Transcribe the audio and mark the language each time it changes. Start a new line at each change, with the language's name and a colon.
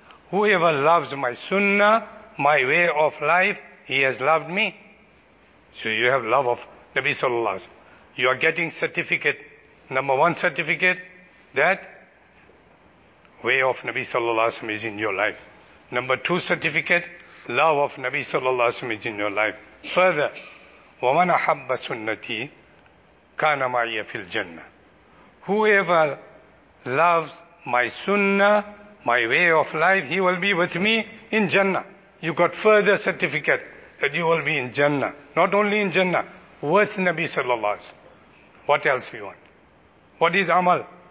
English: Whoever loves my sunnah, my way of life, he has loved me. So you have love of Nabi sallallahu alayhi wa sallam. You are getting certificate, number one certificate, that way of Nabi sallallahu alayhi wa sallam is in your life. Number two certificate, love of Nabi sallallahu alayhi wa sallam is in your life. Further,
Arabic: وَمَنْ أَحَبَّ سُنَّتِي كَانَ مَعِيَ فِي الْجَنَّةِ.
English: Whoever loves my sunnah, my way of life, he will be with me in Jannah. You got further certificate that you will be in Jannah. Not only in Jannah, with Nabi sallallahu alayhi wa sallam. What else do you want? What is amal?